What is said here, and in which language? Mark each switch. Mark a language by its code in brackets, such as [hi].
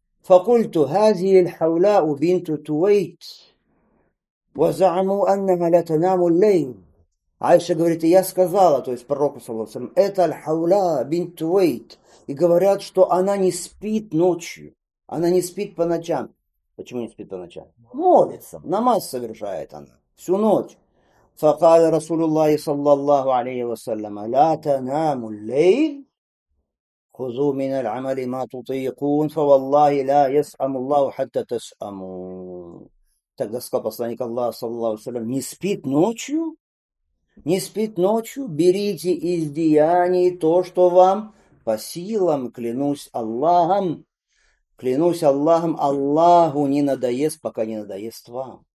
[ar] فَقُلْتُ هَذِهِ الْحَوْلَاءُ بِنْتُ تُوَيْتِ وَزَعْمُوا أَنَّهَا لَتَنَامُ اللَّيْلِ [ru] Айша говорит, я сказала, то есть пророку саллаллаху алейхи ва саллям, это الحَوْلَاء بِنْتُ تُوَيْتِ И говорят, что она не спит ночью, она не спит по ночам. Почему не спит по ночам? Молится, намаз совершает она всю ночь. [ar] فَقَالَ رَسُولُ اللَّهِ صَلَّى اللَّهُ عَلَيْهِ وَسَلَّمَ لَتَنَامُ اللَّيْلِ خذوا من العمل ما تطيقون فوالله لا يسأم الله حتى تسأموا. [ru] Тогда сказал посланник Аллаха, саллаллаху алейхи ва саллям, не спит ночью? Не спит ночью? Берите из деяний то, что вам по силам, клянусь Аллахом. Клянусь Аллахом, Аллаху не надоест, пока не надоест вам.